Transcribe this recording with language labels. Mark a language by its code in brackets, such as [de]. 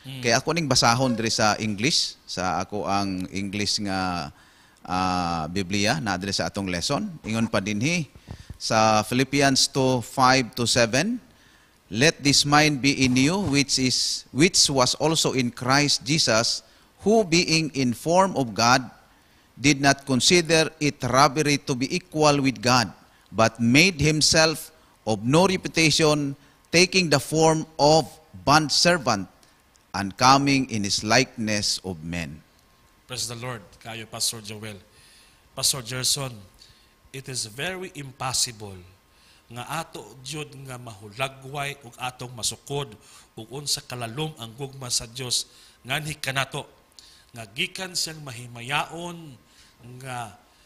[ceb] Kaya ako ning basahon diri sa English, sa ako ang English nga Biblia na diri sa atong lesson. Ingon pa dinhi sa [en] Philippians 2:5-7, let this mind be in you which was also in Christ Jesus, who being in form of God did not consider it robbery to be equal with God, but made himself of no reputation, taking the form of bond servant and coming in his likeness of men. Praise the Lord, kayo Pastor Joel. [ceb] Pastor Gerson, [en] it is very impossible [ceb] nga ato jud nga mahulagway ug atong masukod ug unsa kalalom ang gugma sa Dios nganhi kanato nga gikan siyang mahimayaon nga